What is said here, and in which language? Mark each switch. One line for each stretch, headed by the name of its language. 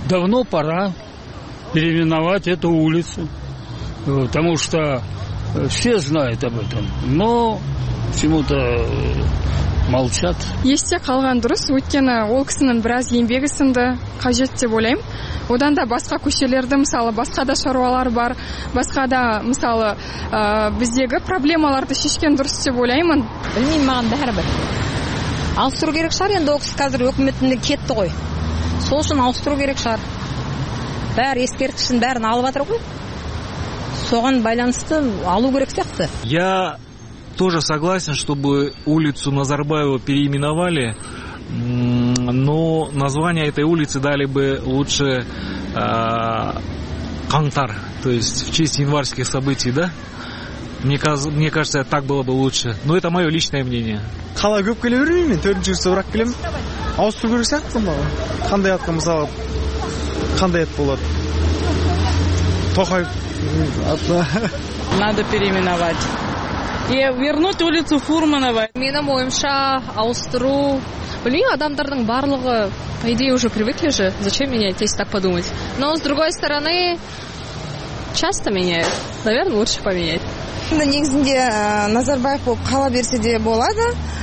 Russian: Давно пора переименовать эту улицу. Потому что все знают об этом, но чему-то молчат.
Kazakh: Есте қалған дұрыс, өткені ол кісінің біраз еңбегі сынды қажет деп ойлаймын. Одан да басқа көшелерді, мысалы, басқа да шаруалар бар, басқа да, мысалы, біздегі проблемаларды шешкен дұрыс деп ойлаймын. Білмеймін маған бәрібір. Ауыстыру керек шығар, енді ол кісі қазір өкіметінде кетті ғой. Сол үшін ауыстыру керек шығар. Бәрі ескертішін бәрін алып отыр ғой. Соған байланысты алу керек сияқты.
Russian: Я тоже согласен, чтобы улицу Назарбаева переименовали, но название этой улицы дали бы лучше Қаңтар, то есть в честь январских событий, да? Мне кажется, так было бы лучше. Но это мое личное мнение.
Kazakh: Қала көп келе бермеймін мен, 4-ші жыл сұрақ келемін. Ауыстыру керек сияқты ма? Қандай атқа мысалы, қандай ат болады? Тоқаев.
Russian: Надо переименовать. И вернуть улицу Фурманова.
Kazakh: Менің ойымша ауыстыру. Білмеймін, адамдардың барлығы,
Russian: по идее, уже привыкли же. Зачем менять, если так подумать? Но, с другой стороны, часто меняют. Наверное, лучше поменять.
Kazakh: На негізінде Назарбаев болып қала берсе де болады.